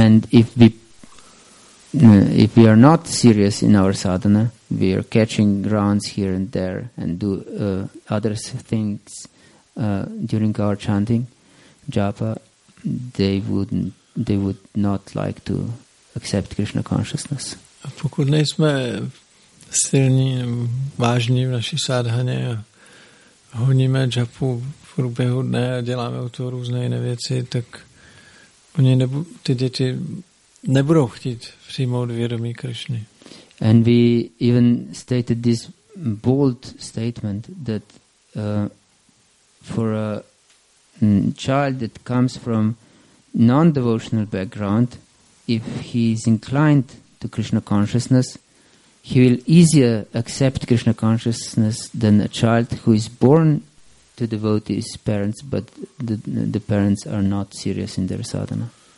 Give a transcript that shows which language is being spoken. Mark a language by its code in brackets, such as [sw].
[en] And if we are not serious in our sadhana, we are catching grounds here and there and do other things during our chanting, japa, they would not like to accept Krishna consciousness. [cs] A pokud nejsme silní, vážní v naší sádhaně a honíme japu v průběhu dne a děláme o to různé jiné věci, tak oni ty děti nebudou chtít přijmout vědomí Krishny. [en] And we even stated this bold statement that for a child that comes from non-devotional background, if he is inclined to Krishna consciousness, he will easier accept Krishna consciousness than a child who is born to devotee's parents, but the parents are not serious in their sadhana.